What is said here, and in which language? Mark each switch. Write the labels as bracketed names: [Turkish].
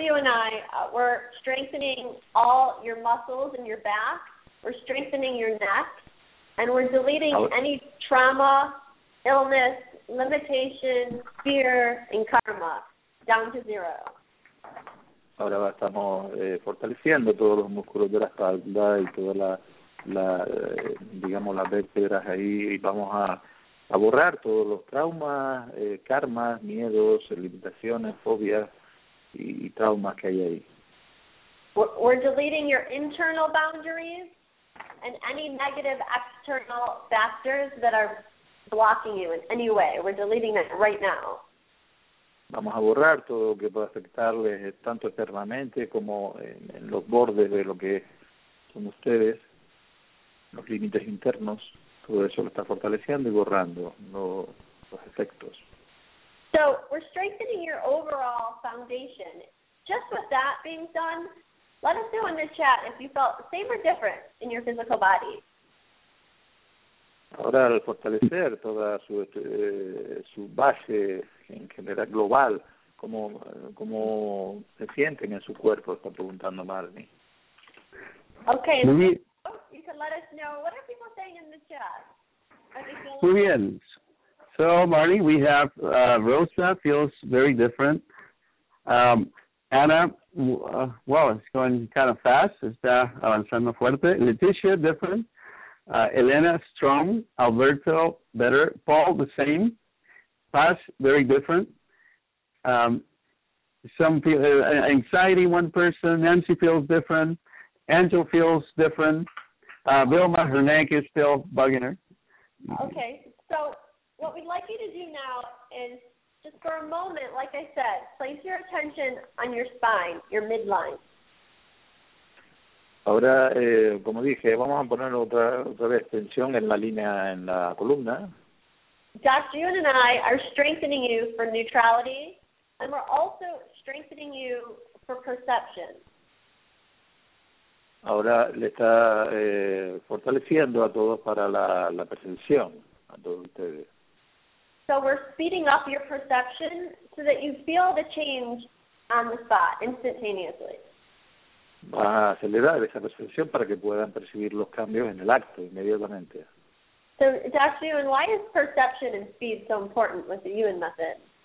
[English] Yu and I, we're strengthening all your muscles in your back. We're strengthening your neck. And we're deleting any trauma, illness, limitation, fear, and karma down to zero. [Spanish] Ahora estamos fortaleciendo todos los músculos de la espalda y toda las vértebras ahí, y vamos a borrar todos los traumas, karmas, miedos, limitaciones, fobias y traumas que hay ahí. [English] We're deleting your internal boundaries and any negative external factors that are blocking you in any way. We're deleting that right now. [Spanish] Vamos a borrar todo lo que pueda afectarles tanto externamente como en los bordes de lo que son ustedes, los límites internos. Todo eso lo está fortaleciendo y borrando los efectos. [English] So, we're strengthening your overall foundation. Just with that being done, let us know in the chat if you felt the same or different in your physical body. [Spanish] Ahora, al fortalecer toda su base en general global, ¿cómo se sienten en su cuerpo? Está preguntando Marnie. [English] Okay. [Spanish] Muy bien. [English] You can let us know. What are people saying in the chat? [Spanish] Muy bien. [English] So, Marnie, we have Rosa feels very different. Anna, it's going kind of fast. [Spanish] Está avanzando fuerte. Leticia, [English] different. [Spanish] Elena, [English] strong. Alberto, better. Paul, the same. Paz, very different. Anxiety, one person. Nancy feels different. Angel feels different. Vilma, her neck is still bugging her. Okay, so what we'd like you to do now is just for a moment, like I said, place your attention on your spine, your midline. [Spanish] Ahora, como dije, vamos a poner otra vez tensión en la línea, en la columna. [English] Dr. Yun and I are strengthening you for neutrality, and we're also strengthening you for perception. [Spanish] Ahora le está fortaleciendo a todos para la percepción, a todos ustedes. [English] So we're speeding up your perception so that you feel the change on the spot, instantaneously. [Spanish] Va a acelerar esa percepción para que puedan percibir los cambios en el acto inmediatamente. [English] So, Dr. Yuen, why is perception and speed so important with the Yuen method?